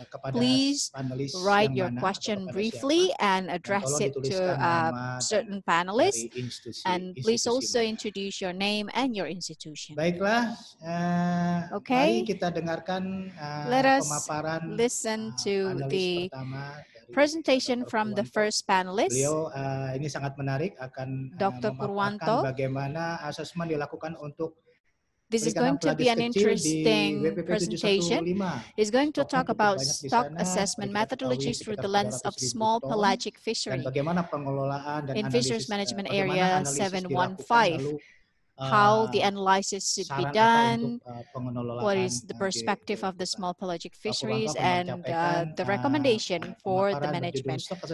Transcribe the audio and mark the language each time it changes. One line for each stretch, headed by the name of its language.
English: Please write your question briefly and address it to a certain panelist. And please also introduce your name and your institution.
Indonesian: Baiklah.
English: Okay.
Indonesian: Mari kita dengarkan
English: let us listen to the presentation from the first panelist.
Indonesian: Beliau ini sangat menarik akan Dr. Purwanto. Bagaimana asesmen dilakukan untuk
English: this is going to be an interesting presentation. He's going to talk about stock assessment methodologies through the lens of small pelagic fishery in fisheries management area 715. How the analysis should be done, what is the perspective of the small pelagic fisheries, and the recommendation for the management.